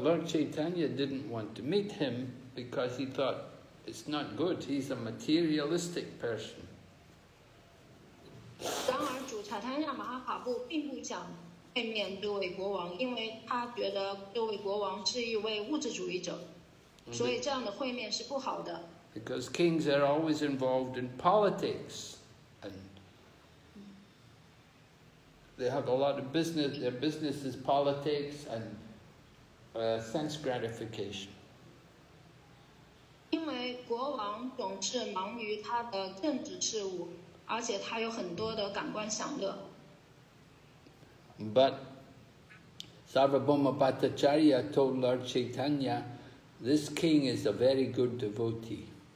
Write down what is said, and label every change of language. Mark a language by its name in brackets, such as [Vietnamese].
[English] Lord Chaitanya didn't want to meet him because he thought it's not good. He's a materialistic person. [Chinese] 然而主Chaitanya马哈法布并不想会面这位国王，因为他觉得这位国王是一位物质主义者，所以这样的会面是不好的。 [English] Because kings are always involved in politics and they have a lot of business, their business is politics and sense gratification. But Sarvabhauma Bhattacharya told Lord Chaitanya, this king is a very good devotee.